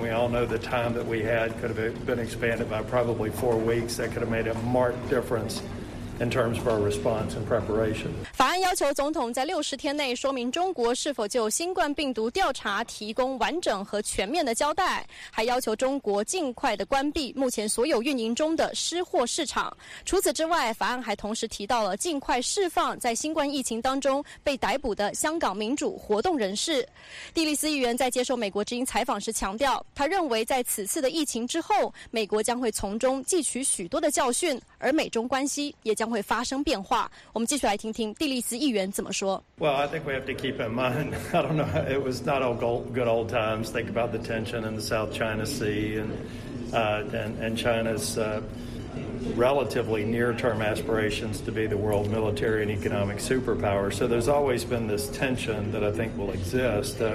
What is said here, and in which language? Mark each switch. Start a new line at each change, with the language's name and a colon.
English: We all know the time that we had could have been expanded by probably 4 weeks. That could have made a marked difference. In terms of our response and preparation.
Chinese: 法案要求总统在60天内说明中国是否就新冠病毒调查提供完整和全面的交代，还要求中国尽快的关闭目前所有运营中的失货市场。除此之外，法案还同时提到了尽快释放在新冠疫情当中被逮捕的香港民主活动人士。蒂利斯议员在接受美国之音采访时强调，他认为在此次的疫情之后，美国将会从中汲取许多的教训，而美中关系也将会发生变化。我们继续来听听蒂利斯议员怎么说。
English: Well, I think we have to keep in mind, I don't know, it was not all good old times. Think about the tension in the South China Sea and China's relatively near-term aspirations to be the world military and economic superpower. So there's always been this tension that I think will exist.